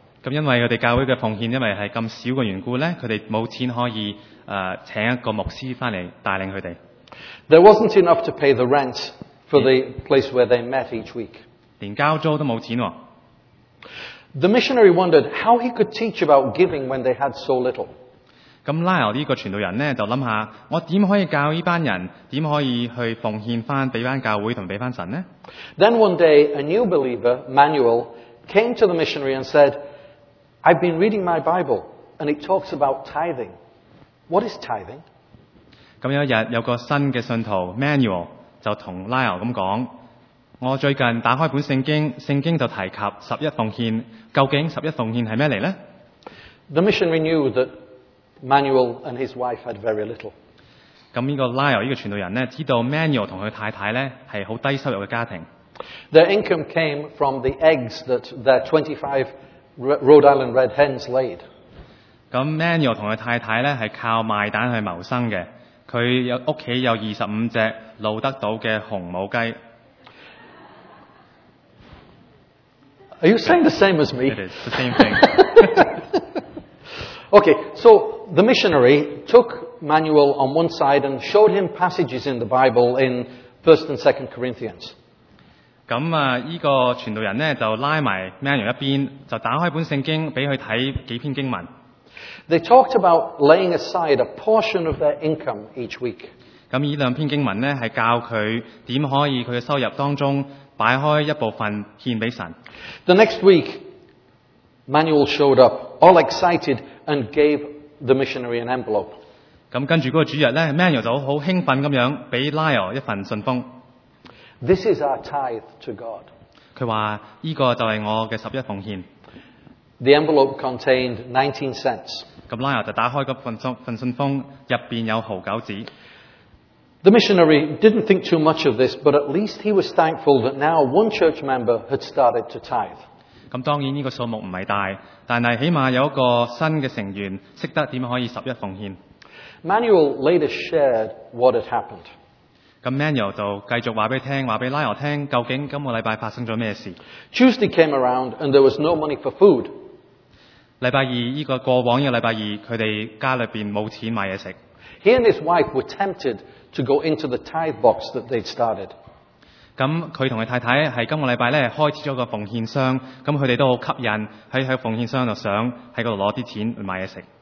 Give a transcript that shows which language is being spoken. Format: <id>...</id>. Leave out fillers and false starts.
<yue>咁因为佢哋教会嘅奉献因为系咁少嘅缘故咧，佢哋冇钱可以请一个牧师翻嚟带领佢哋。</yue> <en>There wasn't enough to pay the rent for the place where they met each week.</en> <yue>连交租都冇钱喎。</yue> <en>The missionary wondered how he could teach about giving when they had so little.</en> <yue>咁 Lyle 呢个传道人咧就谂下，我点可以教呢班人点可以去奉献翻俾班教会同俾翻神呢</yue> <en>？Then one day a new believer Manuel came to the missionary and said, "I've been reading my Bible and it talks about tithing. What is tithing?"</en> <yue>咁有一日有个新嘅信徒 Manuel 就同 Lyle 咁讲。我最近打開本聖經，聖經就提及十一奉獻。究竟十一奉獻係咩嚟呢</yue> <en>？The missionary knew that Manuel and his wife had very little.</en> <yue>咁呢個 Lyle 呢個傳道人咧，知道 Manuel 同佢太太咧係好低收入嘅家庭。</yue> <en>Their income came from the eggs that their 25 Rhode Island Red Hens laid.</en> <yue>咁 Manuel 同佢太太咧係靠賣蛋去謀生嘅。佢有屋企有25隻露得到嘅紅母雞。</yue> <en>Are you saying the same as me? It is the same thing. Okay, so the missionary took Manuel on one side and showed him passages in the Bible in 1st and 2nd Corinthians.</en> <yue>咁啊，依个传道人咧就拉埋 Manuel 一边，就打开本圣经俾佢睇几篇经文。</yue> <en>They talked about laying aside a portion of their income each week.</en> <yue>咁依两篇经文咧系教佢点可以佢嘅收入当中。摆开一部分献俾神。</yue> <en>The next week, Manuel showed up, all excited, and gave the missionary an envelope.</en> <yue>咁跟住嗰个主日咧 ，Manuel 就好兴奋咁样俾 Lyle 一份信封。</yue> <en>This is our tithe to God.</en> <yue>佢话依个就系我嘅十一奉献。</yue> <en>The envelope contained 19 cents.</en> <yue>咁 Lyle 就打开嗰份信封，入边有9毫子。</yue> <en>The missionary didn't think too much of this, but at least he was thankful that now one church member had started to tithe.</en> <yue>咁当然呢个数目唔系大，但系起码有一个新嘅成员识得点可以十一奉献。</yue> <en>Manuel later shared what had happened.</en> <yue>咁 Manuel 就继续话俾听，话俾 Lyle 听，究竟今个礼拜发生咗咩事</yue> <en>？Tuesday came around and there was no money for food.</en> <yue>礼拜二呢个过往呢个礼拜二，佢哋家里边冇钱买嘢食。</yue> <en>He and his wife were tempted to go into the tithe box that they'd started.</en> <yue>咁佢同佢太太系今个礼拜咧开始咗个奉献箱，咁佢哋都好吸引喺奉献箱度想喺嗰度攞啲钱买嘢食。</yue>